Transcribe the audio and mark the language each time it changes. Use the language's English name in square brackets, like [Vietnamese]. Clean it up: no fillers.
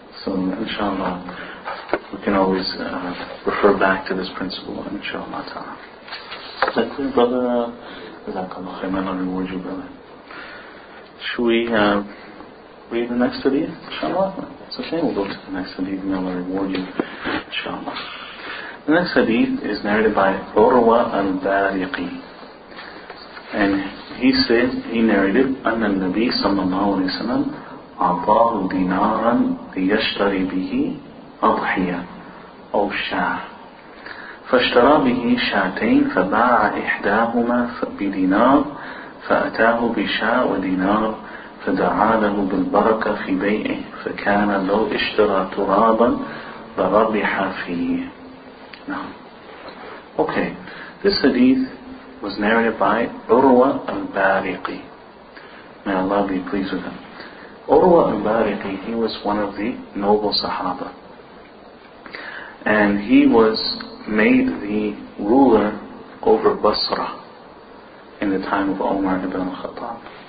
[English] So, inshallah, we can always refer back to this principle, inshallah ta'ala. Is that clear, brother? Jazakallah khairan, I'll reward you, brother. Should we read the next hadith, inshallah? It's okay, we'll go to the next hadith and I'll reward you, inshallah. The next hadith is narrated by Urwa al-Bariqi. And he said, he narrated, [Arabic] أَنَّ النَّبِي صَلَّى اللَّهُ عَلَيْهِ وَسَلَّمَ أَعْطَاهُ دِنَارًا لِيَشْتَرِ بِهِ أَضْحِيَةً أَوْ شَعْرٍ فاشترى به شاتين فباع إحداهما بدينار فأتاه بشاة ودينار فدعا له بالبركة في بيعه فكان لو اشترى ترابا لربح فيه. نعم. Okay. [English] This hadith was narrated by Urwa al-Bariqi. May Allah be pleased with him. Urwa al-Bariqi, he was one of the noble Sahaba. And he was made the ruler over Basra in the time of Umar ibn al-Khattab.